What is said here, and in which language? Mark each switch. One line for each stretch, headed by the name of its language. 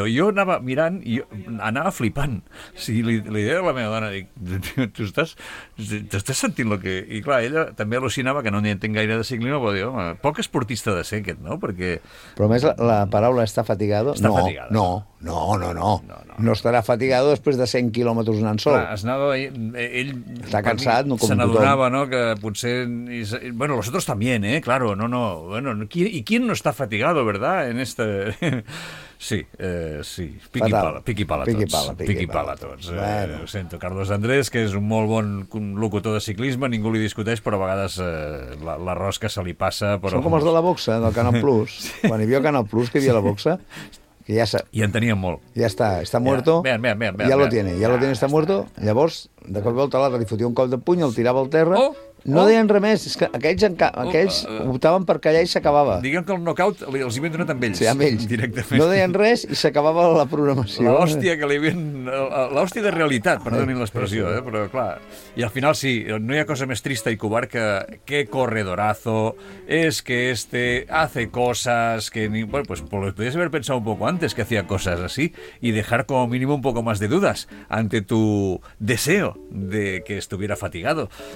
Catalan: Jo anava mirant i anava flipant. Sí, li deia a la meva dona, dic, tu estàs sentint el que... I clar, ella també al·lucinava que no n'hi entenc gaire de ciclisme, però diu, home, poc esportista de ser aquest, no? Perquè... Però a més la paraula està fatigado. Està no, fatigada. No. No estarà fatigado després de 100 quilòmetres anant sol. Clar, ell... Està cansat, no com tothom. Se n'adonava, no?, que potser...
Spanish: Bueno, los otros también, claro, no. Bueno, ¿y quién no está fatigado, verdad?, en este...
Catalan: Sí. Piqui pala a tots.
Spanish: Bueno.
Catalan: Ho sento. Carlos Andrés, que és un molt bon locutor de ciclisme, ningú li discuteix, però a vegades la rosca se li passa... Però... Són com els de la boxa, del Canal Plus. Sí. Quan hi havia Canal Plus, que hi havia la boxa...
Spanish: Que ya y en tenía mol. Ya está muerto. Ya, vean. Ya lo tiene, ya lo tiene, está muerto.
Catalan: Y a vos, de cop volta l'altre, li fotia un cop de puny, el tirava al terra. No deien res més, és que aquells optaven per callar i s'acabava. Diguem que el knockout els hi havien donat amb ells. Sí, amb ells. Directament. No deien res i s'acabava la programació. L'hòstia que li havien... L'hòstia de realitat, perdonin l'expressió, però clar... I al final sí, no hi ha cosa més trista i covard que...
Spanish: Qué corredorazo, es que este hace cosas que... Ni... Bueno, pues lo podías haber pensado un poco antes que hacía cosas así y dejar como mínimo un poco más de dudas ante tu deseo de que estuviera fatigado.